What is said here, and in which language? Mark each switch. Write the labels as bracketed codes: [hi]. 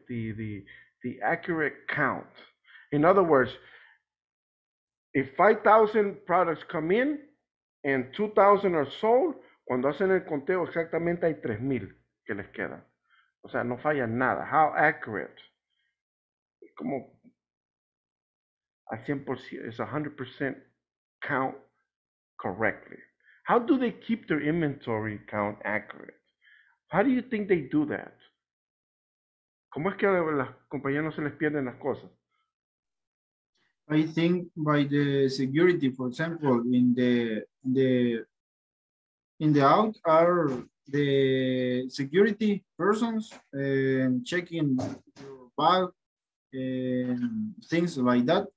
[en] The accurate count. In other words, if 5,000 products come in and 2,000 are sold, [es] cuando hacen el conteo exactamente hay 3,000 que les quedan. O sea, no falla nada. [en] How accurate? [es] ¿Cómo? [en] It's 100% count correctly. How do they keep their inventory count accurate? How do you think they do that? [es] ¿Cómo es que a las compañías no se les pierden las cosas? [en] I think by the security, for example, in the out are the security persons and checking your bag and things like that.